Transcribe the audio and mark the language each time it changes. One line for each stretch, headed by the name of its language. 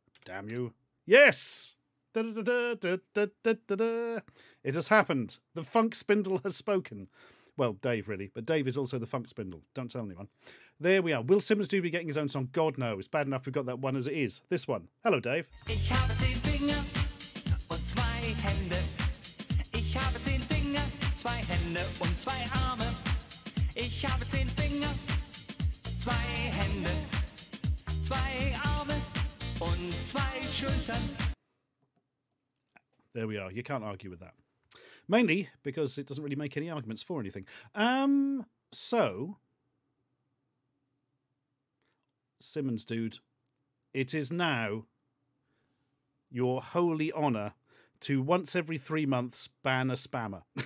English: Damn you. Yes! Da-da-da-da-da-da-da-da-da. It has happened. The funk spindle has spoken. Well, Dave, really. But Dave is also the funk spindle. Don't tell anyone. There we are. Will Simmons do be getting his own song? God knows. Bad enough we've got that one as it is. This one. Hello, Dave.
German: Ich habe 10 Finger und 2 Hände. Ich habe 10 Finger, 2 Hände und 2 Arme. Ich habe 10 Finger, 2 Hände, 2 Arme und 2 Schultern.
English: There we are. You can't argue with that. Mainly because it doesn't really make any arguments for anything. So, Simmons Dude, it is now your holy honour to once every 3 months ban a spammer.